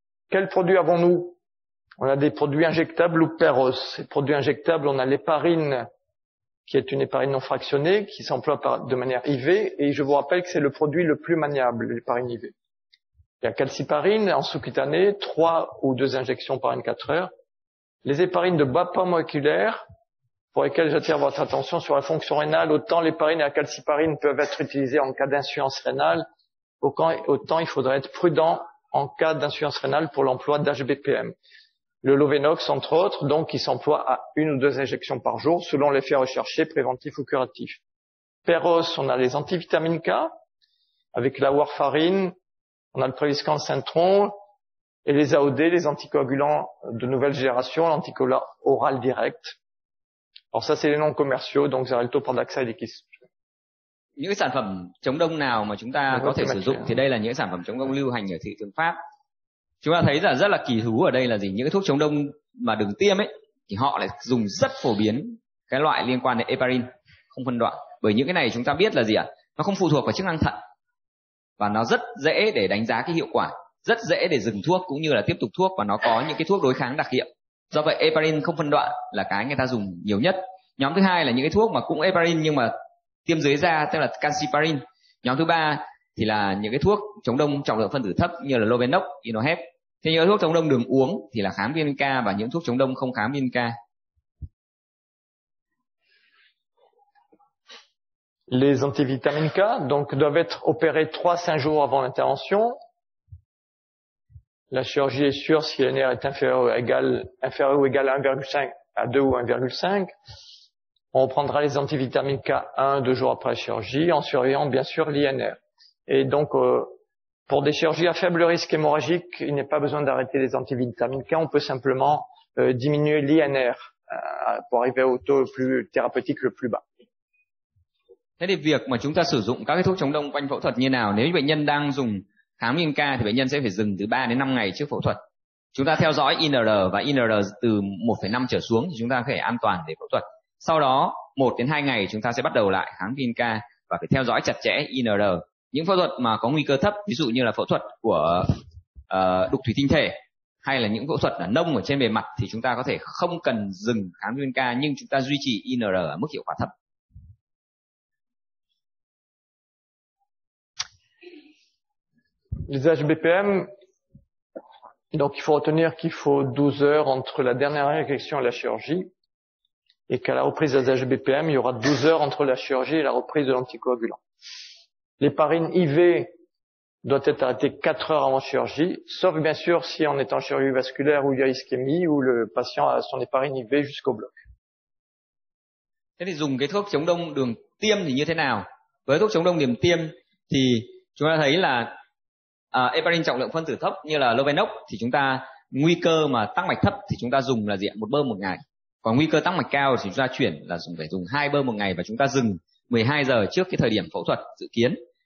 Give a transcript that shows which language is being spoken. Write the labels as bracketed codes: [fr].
[fr] Quel produit avons-nous? On a des produits injectables ou perros. Ces produits injectables, on a l'héparine, qui est une héparine non fractionnée, qui s'emploie de manière IV, et je vous rappelle que c'est le produit le plus maniable, l'héparine IV. Il y a calciparine en sous-cutané, 3 ou 2 injections par 24 heures. Les héparines de bas poids moléculaire, pour lesquelles j'attire votre attention sur la fonction rénale, autant l'héparine et la calciparine peuvent être utilisées en cas d'insuffisance rénale, autant il faudrait être prudent en cas d'insuffisance rénale pour l'emploi d'HBPM. Le Lovenox, entre autres, donc, qui s'emploie à 1 ou 2 injections par jour, selon l'effet recherché, préventif ou curatif. Perros, on a les antivitamines K, avec la warfarine, on a le Préviscan Syntron, et les AOD, les anticoagulants de nouvelle génération, l'anticoagulant oral direct. Alors ça, c'est les noms commerciaux, donc Xarelto, Pradaxa et Equis. [vi] Những sản phẩm chống đông nào mà chúng ta có thể sử dụng, thì đây là những sản phẩm chống đông lưu hành ở thị trường Pháp. Chúng ta thấy là rất là kỳ thú ở đây là gì? Những cái thuốc chống đông mà đừng tiêm ấy thì họ lại dùng rất phổ biến cái loại liên quan đến heparin không phân đoạn. Bởi những cái này chúng ta biết là gì ạ? Nó không phụ thuộc vào chức năng thận. Và nó rất dễ để đánh giá cái hiệu quả, rất dễ để dừng thuốc cũng như là tiếp tục thuốc, và nó có những cái thuốc đối kháng đặc hiệu. Do vậy heparin không phân đoạn là cái người ta dùng nhiều nhất. Nhóm thứ hai là những cái thuốc mà cũng heparin nhưng mà tiêm dưới da, tức là calciparin. Nhóm thứ ba thì là những cái thuốc chống đông trọng lượng phân tử thấp như là Lovenox, Inohep. Thế những thuốc chống đông đường uống thì là kháng viên K, và những thuốc chống đông không kháng viên K. [fr] Les antivitamines K donc doivent être opérés 3-5 jours avant l'intervention. La chirurgie est sûre si l'ANR est inférieur ou égal à 1,5 à 2 ou 1,5. On prendra les antivitamines K 1-2 jours après la chirurgie en surveillant bien sûr l'INR. Et donc, pour des chirurgies à faible risque hémorragique, il n'est pas besoin d'arrêter les antivitamines K. On peut simplement diminuer l'INR pour arriver au taux le plus bas. [vi] Thế thì việc mà chúng ta sử dụng các cái thuốc chống đông quanh phẫu thuật như nào? Nếu bệnh nhân đang dùng Khám viêm ca thì bệnh nhân sẽ phải dừng từ 3 đến 5 ngày trước phẫu thuật. Chúng ta theo dõi INR và INR từ 1,5 trở xuống thì chúng ta có thể an toàn để phẫu thuật. Sau đó 1 đến 2 ngày chúng ta sẽ bắt đầu lại kháng viêm ca và phải theo dõi chặt chẽ INR. Những phẫu thuật mà có nguy cơ thấp, ví dụ như là phẫu thuật của đục thủy tinh thể hay là những phẫu thuật ở nông ở trên bề mặt thì chúng ta có thể không cần dừng kháng viêm ca nhưng chúng ta duy trì INR ở mức hiệu quả thấp. [fr] L'usage BPM, donc il faut retenir qu'il faut 12 heures entre la dernière injection et la chirurgie, et qu'à la reprise de l'usage BPM, il y aura 12 heures entre la chirurgie et la reprise de l'anticoagulant. L'héparine IV doit être arrêtée 4 heures avant chirurgie, sauf bien sûr si on est en chirurgie vasculaire où il y a ischémie, où le patient a son héparine IV jusqu'au bloc. [vi] Thế thì dùng cái thuốc chống đông đường tiêm thì như thế nào? Với thuốc chống đông đường tiêm thì chúng ta thấy là heparin trọng lượng phân tử thấp như là Lovenox thì chúng ta nguy cơ mà tắc mạch thấp thì chúng ta dùng là diện một bơm một ngày. Còn nguy cơ tắc mạch cao thì chúng ta chuyển là dùng phải dùng hai bơm một ngày và chúng ta dừng 12 giờ trước cái thời điểm phẫu thuật dự kiến.